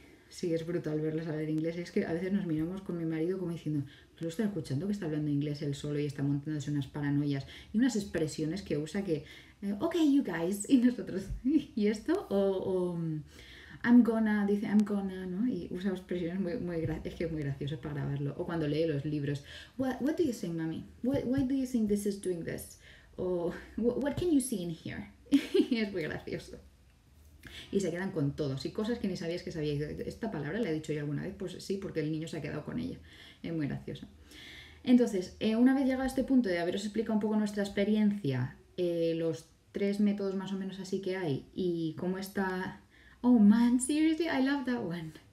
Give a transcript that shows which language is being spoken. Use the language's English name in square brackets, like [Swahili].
[Spanish] Sí, es brutal verlos hablar inglés, es que a veces nos miramos con mi marido como diciendo, lo está escuchando que está hablando inglés él solo y está montándose unas paranoias y unas expresiones que usa que... Ok, [English] you guys, [Spanish] y nosotros, ¿y esto? O dice [English] I'm gonna, [Spanish] ¿no? Y usa expresiones muy, muy, es que muy graciosas para grabarlo. O cuando lee los libros, [English] what do you think, mommy? Why do you think this is doing this? O what can you see in here? [Spanish] Y es muy gracioso. Y se quedan con todos y cosas que ni sabías que sabías. ¿Esta palabra la he dicho yo alguna vez? Pues sí, porque el niño se ha quedado con ella. Es muy gracioso. Entonces, una vez llegado a este punto de haberos explicado un poco nuestra experiencia, los tres métodos más o menos así que hay y cómo está. [English] Oh man, seriously, I love that one.